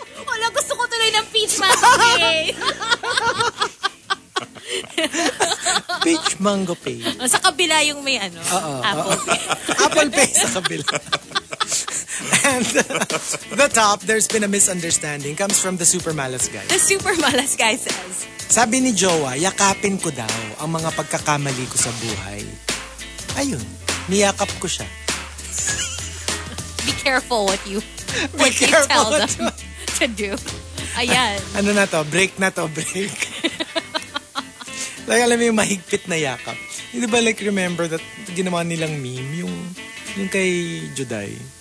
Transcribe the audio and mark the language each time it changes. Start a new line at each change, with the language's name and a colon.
Filipino: Wala, gusto ko tuloy ng Peach Mango Pay. Peach Mango Pay. Sa kabila yung may ano, uh-oh, Apple Pay. Apple Pay sa kabila.
English: And the top, there's been a misunderstanding, comes from the Super Malas Guy. The Super Malas Guy says,
Filipino: sabi ni Jowa, yakapin ko daw ang mga pagkakamali ko sa buhay. Ayun, niyakap ko siya.
English: Be careful what you what Be you tell what them to do. Ayan.
Filipino: Ano na to? Break na to, break. Like, alam mo yung mahigpit na yakap. Hindi ba like, remember that ginawa nilang meme? Yung kay Juday.